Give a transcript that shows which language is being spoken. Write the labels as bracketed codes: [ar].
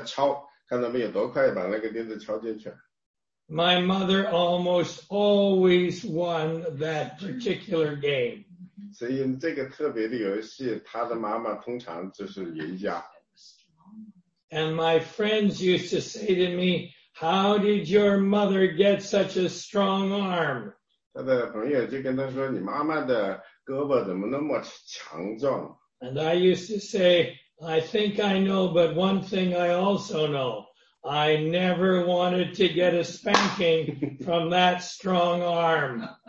[zh] 所以呢，当时呢，那些姐妹们就会拿着那个钉子，然后拿锤子，就这么往下敲，看他们有多快把那个钉子敲进去。 [en] My mother almost always won that particular game. [zh] 所以这个特别的游戏，他的妈妈通常就是赢家。 [en] And my friends used to say to me, "How did your mother get such a strong arm?" [zh] 他的朋友就跟他说，你妈妈的胳膊怎么那么强壮？ [en] And I used to say, "I think I know, but one thing I also know, I never wanted to get a spanking from that strong arm."